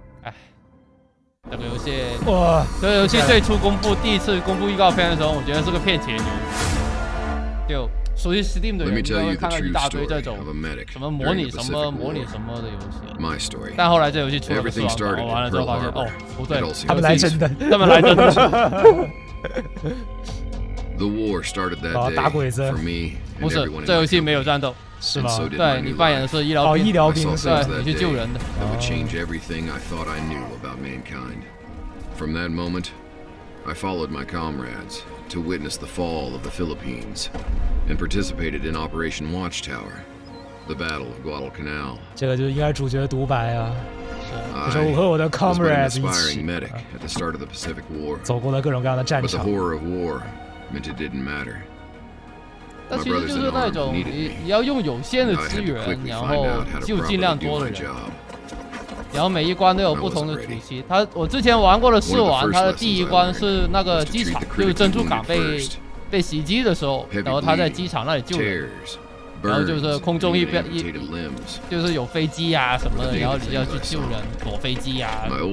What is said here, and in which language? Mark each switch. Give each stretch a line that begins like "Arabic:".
Chinese: 哎，这个游戏，这个游戏最初公布第一次公布预告片的时候，我觉得是个骗钱游戏。就熟悉 Steam 的人应该会看到一大堆这种什么模拟什么模拟什么的游戏，但后来这游戏出了个死亡，我玩了之后发现，哦，不对，他们来真的，他们来真的。
English: The war started that day.
Chinese: 打鬼子，不是，这游戏没有战斗，是吗？对，你扮演的是医疗兵，哦，医疗兵，对，你去救人的。
English: That would change everything I thought I knew about mankind. From that moment, I followed my comrades to witness the fall of the Philippines and participated in Operation Watchtower, the Battle of Guadalcanal.
Chinese: 这个就应该主角独白啊。是我和我的 comrades 一起。
English: I was an aspiring medic at the start of the Pacific War.
Chinese: 走过了各种各样的战场。
English: But the horror of war meant it didn't matter.
Chinese: 但其实就是那种你要用有限的资源，然后就尽量多的人。然后每一关都有不同的主题。他我之前玩过的试玩，他的第一关是那个机场，就是珍珠港被袭击的时候，然后他在机场那里救人，然后就是空中一就是有飞机啊什么的，然后你要去救人，躲飞机啊。